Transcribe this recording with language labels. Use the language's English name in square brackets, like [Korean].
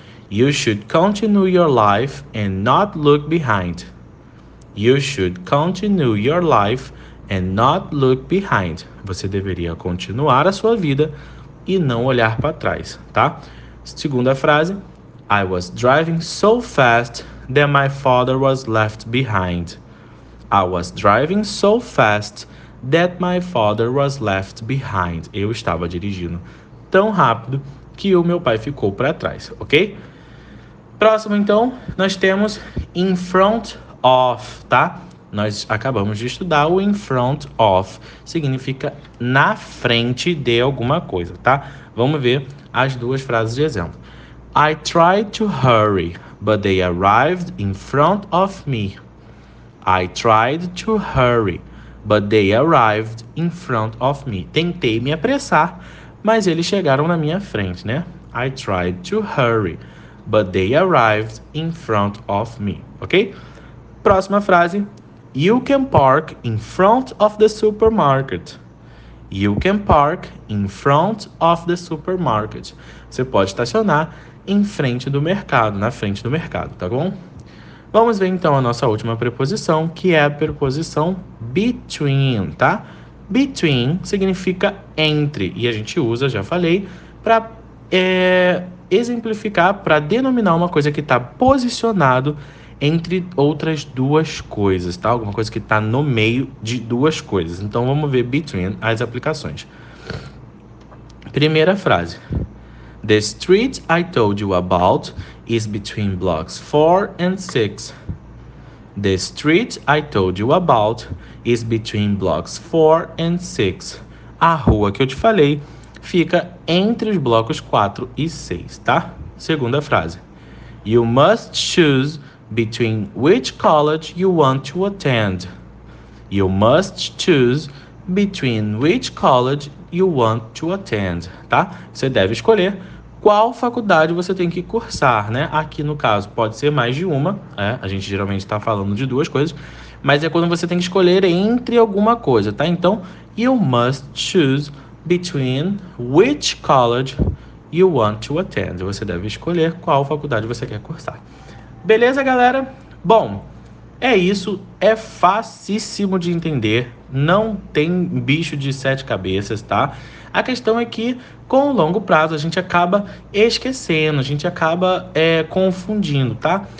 [English] You should continue your life and not look behind. You should continue your life and not look behind. [Portuguese] Você deveria continuar a sua vida e não olhar para trás, tá? Segunda frase. [English] I was driving so fast that my father was left behind. I was driving so fast that my father was left behind. [Portuguese] Eu estava dirigindo tão rápido que o meu pai ficou para trás, ok? Próximo, então, nós temos in front of, tá? Nós acabamos de estudar o in front of, significa na frente de alguma coisa, tá? Vamos ver as duas frases de exemplo. [English] I tried to hurry, but they arrived in front of me. I tried to hurry, But they arrived in front of me. [Portuguese] Tentei me apressar, mas eles chegaram na minha frente, né? [English] I tried to hurry, but they arrived in front of me. Ok? [Portuguese] Próxima frase. [English] You can park in front of the supermarket. You can park in front of the supermarket. [Portuguese] Você pode estacionar em frente do mercado, na frente do mercado, tá bom? Vamos ver então a nossa última preposição, que é a preposição between, tá? Between significa entre, e a gente usa, já falei, para exemplificar, para denominar uma coisa que está posicionado entre outras duas coisas, tá? Alguma coisa que está no meio de duas coisas. Então vamos ver between as aplicações. Primeira frase. [English] The street I told you about is between blocks 4 and 6. The street I told you about is between blocks 4 and 6. [Portuguese] A rua que eu te falei fica entre os blocos 4 e 6, tá? Segunda frase. [English] You must choose between which college you want to attend. You must choose between which college you want to attend, tá? [Portuguese] Você deve escolher qual faculdade você tem que cursar, né? Aqui, no caso, pode ser mais de uma. É, a gente geralmente está falando de duas coisas. Mas é quando você tem que escolher entre alguma coisa, tá? [English] Então, you must choose between which college you want to attend. [Portuguese] Você deve escolher qual faculdade você quer cursar. Beleza, galera? Bom, é isso. É facíssimo de entender. Não tem bicho de sete cabeças, tá? A questão é que, com o longo prazo, a gente acaba esquecendo, a gente acaba confundindo, tá?